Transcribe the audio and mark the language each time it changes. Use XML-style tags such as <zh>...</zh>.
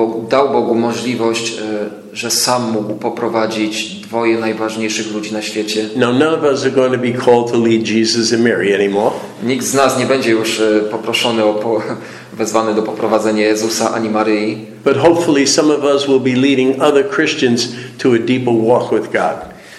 <pl>Dał Bogu możliwość, że sam mógł poprowadzić 2 najważniejszych ludzi na świecie.</pl> <en>Now none of us are going to be called to lead Jesus and Mary anymore.</en> <pl>Nikt z nas nie będzie już poproszony wezwany do poprowadzenia Jezusa ani Maryi.</pl> <en>But hopefully some of us will be leading other Christians to a deeper walk with God.</en>